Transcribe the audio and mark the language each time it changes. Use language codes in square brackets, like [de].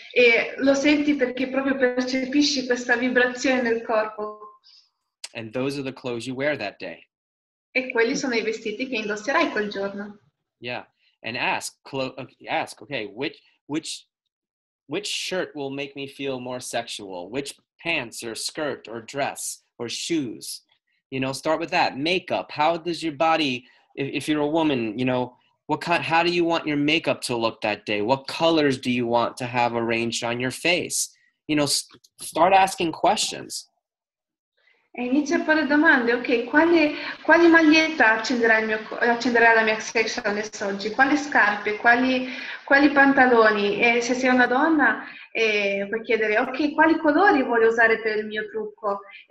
[it] E lo senti perché proprio percepisci questa vibrazione nel corpo. [en] And those are the clothes you wear that day. [it] E quelli sono i vestiti che indosserai quel giorno. [en] Yeah, and ask, okay, which shirt will make me feel more sexual? Which pants or skirt or dress? Or shoes, you know, start with that. Makeup, how does your body, if you're a woman, you know, how do you want your makeup to look that day? What colors do you want to have arranged on your face? You know, start asking questions. [it] E inizio a fare domande, ok, quali maglietta accenderà la mia sexualness oggi? Quali scarpe, quali pantaloni? E se sei una donna, puoi chiedere, ok, quali colori voglio usare per il mio trucco?